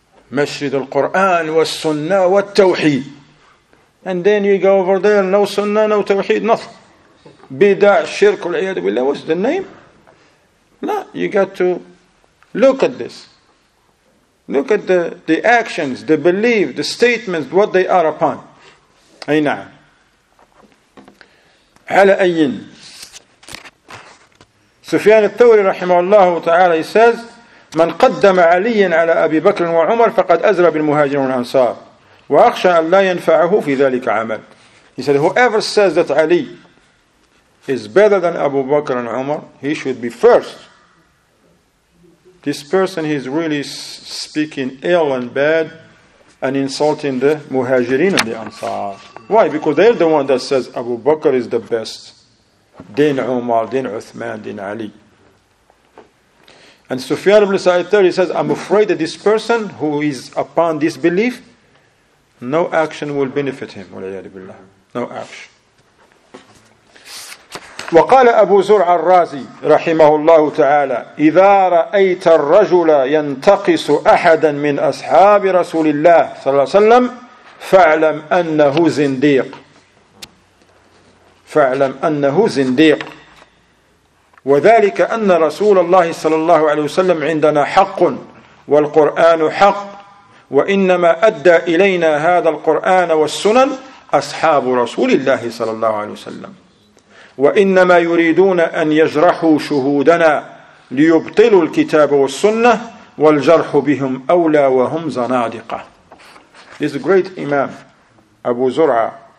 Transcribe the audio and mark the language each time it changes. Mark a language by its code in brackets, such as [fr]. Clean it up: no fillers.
[en] Masjid al-Quran wa sunnah wa tawheed. And then you go over there, no sunnah, no tawheed, nothing. Bid'ah, shirk, al-iyad billah, what's the name? No, you got to look at this. Look at the actions, the belief, the statements, what they are upon. [ar] Ayna. على أي سفيان الثوري رحمه الله تعالى says من قدم علي على أبي بكر وعمر فقد أزرى بالمهاجرين والأنصار وأخشى أن لا ينفعه في ذلك عمل. [en] He said whoever says that Ali is better than Abu Bakr and Umar, he should be first. This person, he is really speaking ill and bad and insulting the Muhajirin and the Ansar. Why? Because they're the one that says Abu Bakr is the best. Then Umar, then Uthman, then Ali. And Sufyan ibn Sa'id says, I'm afraid that this person who is upon this belief, No action will benefit him. [ar] وَلَيَّدِ بِاللَّهِ [en] No action. [ar] وقال أبو زرع الرازي رحمه الله تعالى إذا رأيت الرجل ينتقص أحدا من أصحاب رسول الله صلى الله عليه وسلم فاعلم أنه زنديق فاعلم أنه زنديق وذلك أن رسول الله صلى الله عليه وسلم عندنا حق والقرآن حق وإنما أدى إلينا هذا القرآن والسنن أصحاب رسول الله صلى الله عليه وسلم وإنما يريدون أن يجرحوا شهودنا ليبطلوا الكتاب والسنة والجرح بهم أولى وهم زنادقة [en] This great Imam Abu Zur'a